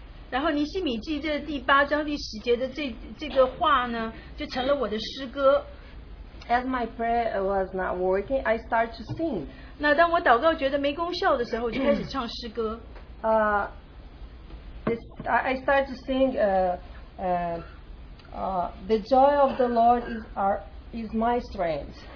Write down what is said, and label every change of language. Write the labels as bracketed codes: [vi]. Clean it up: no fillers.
[zh] 然后尼希米记这第八章第十节的这个话呢，就成了我的诗歌。 [en] As my prayer was not working, I start to sing. [zh] 那当我祷告觉得没功效的时候，我就开始唱诗歌。 [en] I start to sing. The joy of the Lord is my strength.